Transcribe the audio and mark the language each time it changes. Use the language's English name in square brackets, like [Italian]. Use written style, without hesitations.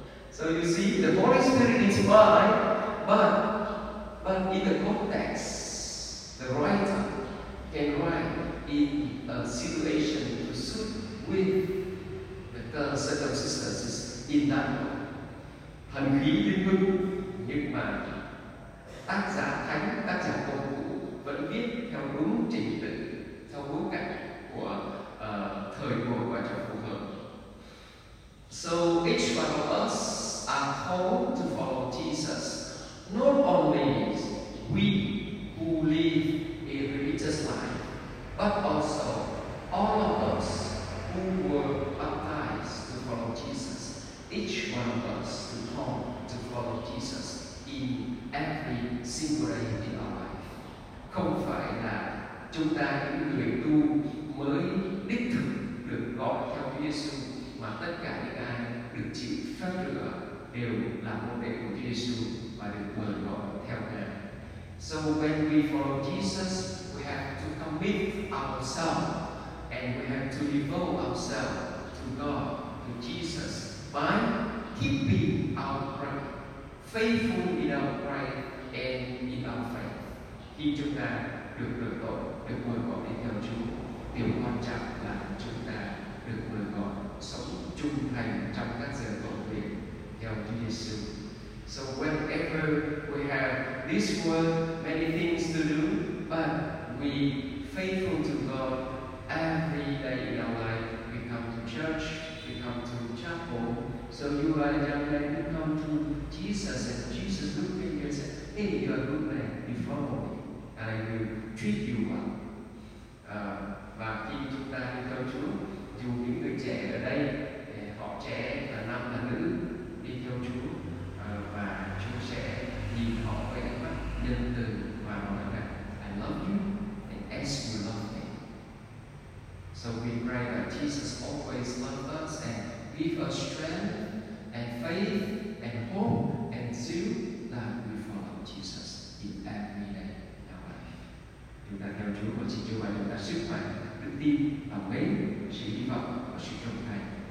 [English] So you see, the Holy Spirit is by, but in the context, the writer can write in a situation to suit with the circumstances in that moment. [Vietnamese] Thần khí linh hưng, nhưng mà tác giả thánh, tác giả cổ vũ vẫn viết theo đúng trình tự, theo bối cảnh của thời buổi và cho phù hợp. [English] So each one of us are called to follow Jesus, not only we who live a religious life, but also all of us who were baptized to follow Jesus. Each one of us is called to follow Jesus in every single day in our life. [Vietnamese] Không phải là chúng ta những người tu mới đích thực được gọi theo Chúa Giêsu, mà tất cả những ai được chịu phép rửa đều là môn đệ của Chúa Giêsu và được mời gọi theo Ngài. [English] So when we follow Jesus, we have to commit ourselves and we have to devote ourselves to God, to Jesus, by keeping our prayer, faithful in our prayer and in our faith. [Vietnamese] Khi chúng ta được đổi tội, được mời gọi đi theo Chúa, điều quan trọng là chúng ta được mời gọi sống trung thành trong các giờ cầu nguyện theo Chúa Giêsu. [English] So whenever we have this world, many things to do, but we faithful to God every day in our life. We come to church, we come to chapel. So you are a young man who come to Jesus, and Jesus looked at you and said, "Hey, you are a good man. You follow me, and I will treat you well." [Vietnamese] Và khi chúng ta đi theo Chúa, dù những người trẻ ở đây, họ trẻ là nam là nữ, đi theo Chúa và Chúa sẽ nhìn họ với ánh mắt nhân từ và nói rằng, [English] "I love you and as you love me." So we pray that Jesus always love us and give us strength and faith and hope and zeal that we follow Jesus in every day of our life. [Vietnamese] Chúng ta theo Chúa và xin Chúa ban chúng ta sức mạnh, đức tin và mến, sự hy vọng và sự trung thành.